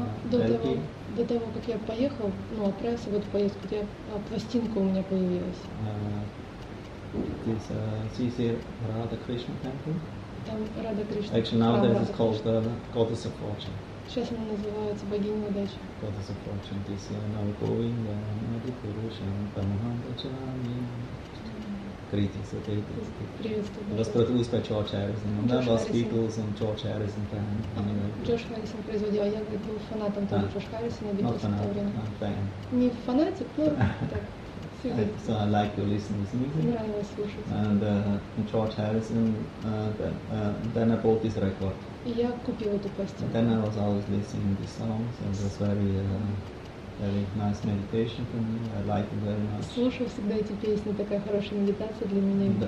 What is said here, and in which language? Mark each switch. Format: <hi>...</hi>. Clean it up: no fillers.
<ru>До того, как я поехал, отправился в эту поездку, пластинка у меня появилась.</ru> <en>This CC Radha Krishna Temple.</en> <ru>Там Radha Krishna.</ru> <en>Actually, nowadays it's called the Goddess of Fortune.</en> <ru>Сейчас она называется Богиня Удачи.</ru> <en>Goddess of Fortune. This now going the Madhupurusha Tamahandachami.</en> <ru>Приветствую.</ru> <en>Was produced by George Harrison. And there was Beatles and George Harrison fan.</en> <ru>Джордж Харрисон производил, а я был фанатом тоже Джордж Харрисона и Битлз в то время. Не фанатик, но так.</ru> <en>So I like to listen to his music. And George Harrison, then I bought this record.</en> <ru>И я купил эту пластинку.</ru> <en>Then I was always listening to these songs, and it was very nice meditation for me. I like it very much.</en> <ru>Слушал всегда эти песни, такая хорошая медитация для меня.</ru>